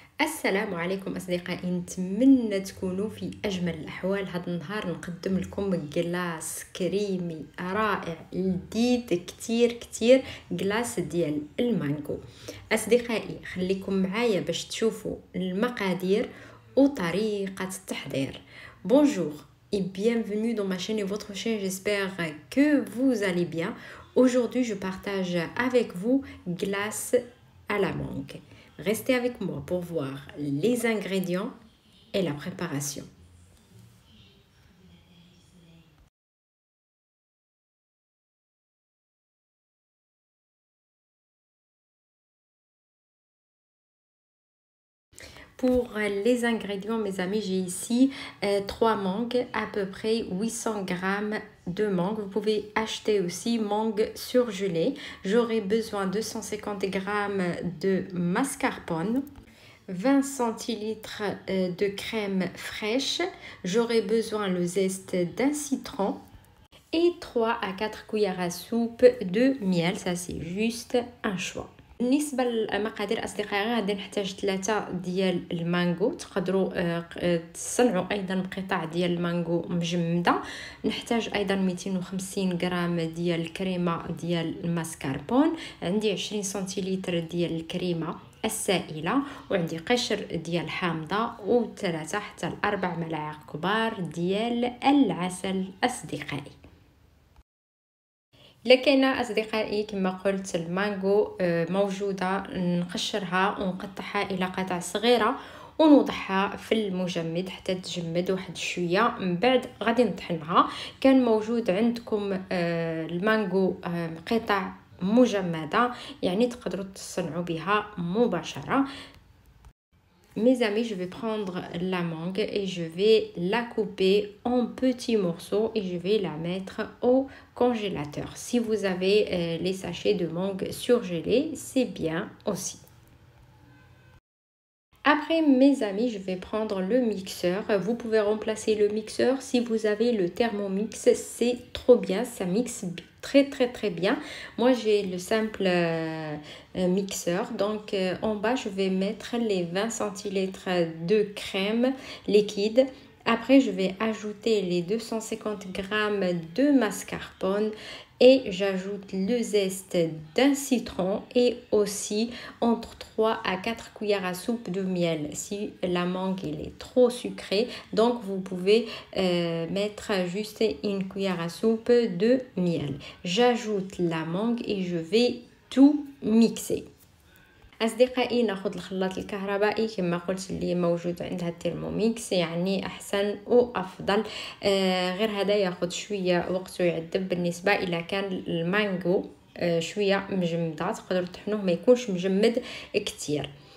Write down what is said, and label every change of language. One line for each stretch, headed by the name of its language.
Arabic: السلام عليكم أصدقائي، نتمنى تكونوا في أجمل الأحوال. هذا النهار نقدم لكم غلاس كريمي رائع لذيذ كتير كتير، غلاس ديال المانجو. أصدقائي خليكم معايا باش تشوفوا المقادير وطريقة التحضير.
French: بونجور et bienvenue dans ma chaîne et votre chaîne. J'espère que vous allez bien. Aujourd'hui, je partage avec vous glace à la mangue. Restez avec moi pour voir les ingrédients et la préparation. Pour les ingrédients, mes amis, j'ai ici 3 mangues, à peu près 800 g de mangue. Vous pouvez acheter aussi mangue surgelée. J'aurai besoin de 250 g de mascarpone, 20 cl de crème fraîche. J'aurai besoin le zeste d'un citron et 3 à 4 cuillères à soupe de miel. Ça, c'est juste un choix.
Arabic: بالنسبه للمقادير اصدقائي، غادي نحتاج 3 ديال المانجو. تقدروا تصنعوا ايضا قطع ديال المانجو مجمده. نحتاج ايضا 250 غرام ديال الكريمه ديال الماسكاربون. عندي 20 سنتيلتر ديال الكريمه السائله، وعندي قشر ديال حامضه، و 3 حتى 4 ملاعق كبار ديال العسل اصدقائي. لكن أصدقائي كما قلت، المانجو موجودة، نقشرها ونقطعها إلى قطع صغيرة ونوضعها في المجمد حتى تجمد واحد شوية. من بعد غادي نطحنها. كان موجود عندكم المانجو قطع مجمدة، يعني تقدروا تصنعوا بها مباشرة.
French: Mes amis, je vais prendre la mangue et je vais la couper en petits morceaux et je vais la mettre au congélateur. Si vous avez les sachets de mangue surgelée, c'est bien aussi. Après, mes amis, je vais prendre le mixeur. Vous pouvez remplacer le mixeur si vous avez le thermomix, c'est trop bien, ça mixe bien. Très très très bien. Moi j'ai le simple mixeur. Donc en bas je vais mettre les 20 centilitres de crème liquide. Après je vais ajouter les 250 g de mascarpone et j'ajoute le zeste d'un citron et aussi entre 3 à 4 cuillères à soupe de miel si la mangue elle est trop sucrée. Donc vous pouvez mettre juste une cuillère à soupe de miel. J'ajoute la mangue et je vais tout mixer.
Arabic: أصدقائي نأخذ الخلاط الكهربائي كما قلت اللي موجود عندها الترموميكس، يعني أحسن وأفضل. غير هذا يأخذ شوية وقت ويعذب. بالنسبة إلى كان المانجو شوية مجمدة تقدر تحنوه، ما يكونش مجمد كتير.